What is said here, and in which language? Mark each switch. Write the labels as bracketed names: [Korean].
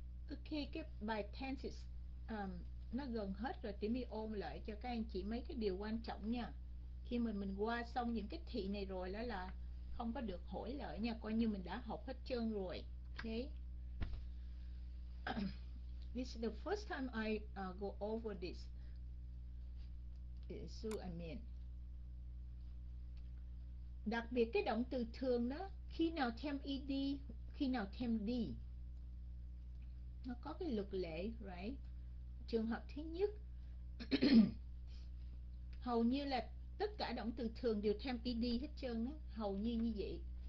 [Vietnamese] Ok, cái bài tenses nó gần hết rồi, tí mi ôm lại cho các anh chị mấy cái điều quan trọng nha. Khi mà mình qua xong những cái thị này rồi đó là không có được hỏi lại nha, coi như mình đã học hết trơn rồi. [English] Okay. This is the first time I go over this. So I mean. [Vietnamese] Đặc biệt cái động từ thường đó, khi nào thêm ed, khi nào thêm d. Nó có cái luật lệ, right? Trường hợp thứ nhất hầu như là tất cả động từ thường đều thêm ed hết trơn đó, hầu như như vậy.